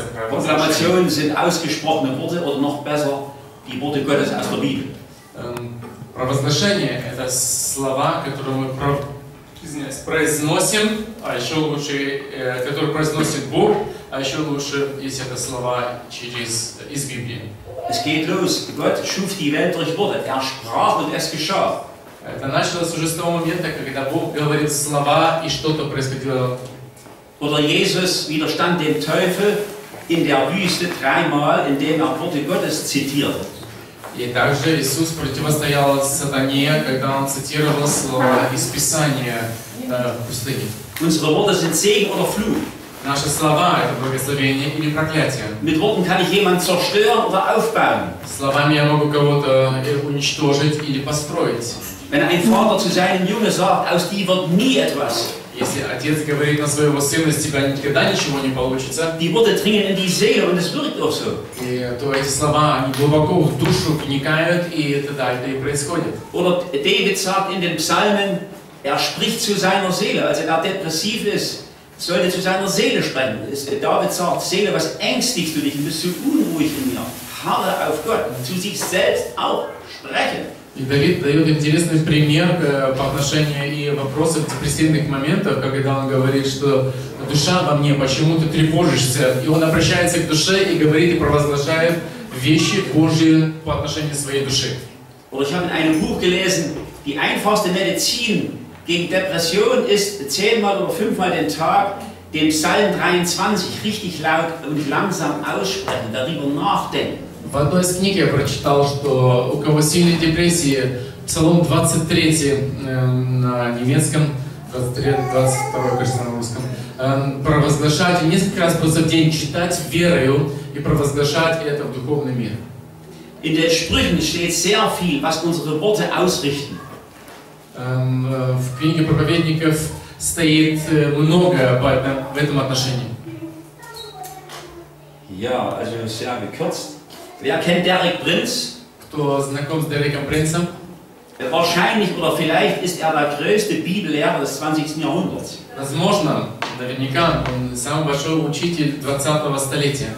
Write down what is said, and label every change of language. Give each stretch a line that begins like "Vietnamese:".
German: Proklamationen sind ausgesprochene Worte oder noch besser die Worte Gottes aus der Bibel.
Russian: Провозглашение – это слова, которые мы произносим, а еще лучше, которые произносит Бог, а еще лучше, если это слова через из Библии.
German: Es geht los. Gott schuf die Welt durch Worte. Er sprach und es geschah.
Russian: Это началось уже с того момента, когда Бог говорит слова и что-то происходило.
German: Oder Jesus widerstand dem Teufel in der Wüste dreimal, indem er Worte Gottes zitierte.
Russian: И также Иисус противостоял сатане, когда он цитировал слова из Писания в пустыне.
German: Unsere Worte sind Segen oder Fluch.
Russian: Наши слова – это благословение или проклятие.
German: Mit Worten kann ich jemand zerstören oder aufbauen.
Russian: Словами я могу кого-то уничтожить или построить.
German: Wenn ein Vater zu seinem Jungen sagt, aus dir wird nie etwas.
Russian: Если отец говорит на своего сына, из тебя никогда ничего не получится.
German: Die Worte dringen in die Seele und es wirkt auch so.
Russian: И то эти слова, они глубоко в душу вникают, и это дальше и происходит.
German: Oder David sagt in den Psalmen, er spricht zu seiner Seele, als er depressiv ist, sollte zu seiner Seele sprechen. David sagt, Seele, was ängstigst du dich? Du bist so unruhig in mir. Harre auf Gott, zu sich selbst auch sprechen.
Russian: И Давид дает интересный пример по отношению и вопросов депрессивных моментов, когда он говорит, что душа во мне, почему ты тревожишься? И он обращается к душе и говорит и провозглашает вещи Божьи по отношению своей души.
German: Oder ich habe in einem Buch gelesen, die einfachste Medizin gegen Depression ist 10-mal oder 5-mal den Tag den Psalm 23 richtig laut und langsam aussprechen, darüber nachdenken.
Russian: В одной из книг я прочитал, что у кого сильные депрессии, Псалом 23 на немецком, 22, кажется, на русском, провозглашать и несколько раз просто в день читать верою и провозглашать это в духовный мир.
German: In den Sprüchen steht sehr viel, was unsere Worte ausrichten.
Russian: В книге проповедников стоит много в этом отношении.
German: Ja, also sehr gekürzt. Wer kennt Derek Prince?
Russian: Кто знаком с Дереком Принцем?
German: Wahrscheinlich oder vielleicht ist er der größte Bibellehrer des 20. Jahrhunderts.
Russian: Возможно, наверняка, он самый большой учитель 20-го столетия.